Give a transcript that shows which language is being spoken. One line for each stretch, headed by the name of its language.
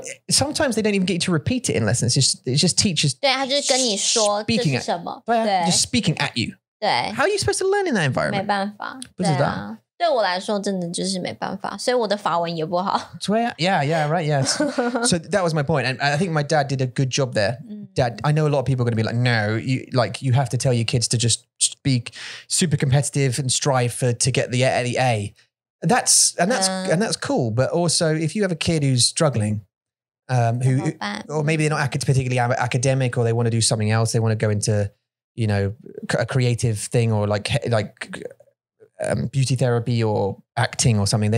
English: Sometimes they don't even get you to repeat it in lessons. It's just teachers
Chinese: 对,他就跟你说, speaking
English: at you. Just speaking at you. How are you supposed to learn in that environment?
Chinese: 没办法, 不知道。对我来说真的就是没办法, 所以我的法文也不好。
English: Yeah, right. Yes. So that was my point. And I think my dad did a good job there. Dad, I know a lot of people are going to be like, no, you have to tell your kids to just be super competitive and strive to get the A. That's cool. But also, if you have a kid who's struggling, or maybe they're not particularly academic, or they want to do something else, they want to go into, you know, a creative thing, or like beauty therapy or acting or something.